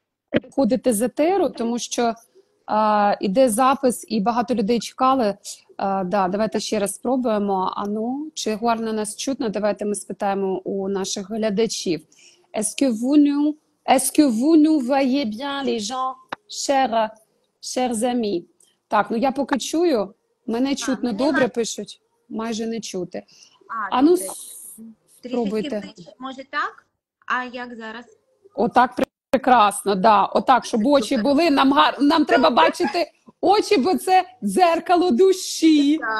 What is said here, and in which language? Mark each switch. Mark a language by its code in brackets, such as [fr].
[uk] Приходити з етеру, тому що іде запис і багато людей чекали. Да, давайте ще раз спробуємо. Ану, чи гарно нас чутно? Давайте ми спитаємо у наших глядачів. [fr] Est-ce que vous nous voyez bien, les gens, chers amis? [uk] Так, ну я поки чую, мене чутно добре, пишуть, майже не чути. Ану, спробуйте. Може так? А як зараз? Отак. Прекрасно, да. Отак, щоб очі були, нам треба бачити очі, бо це дзеркало душі.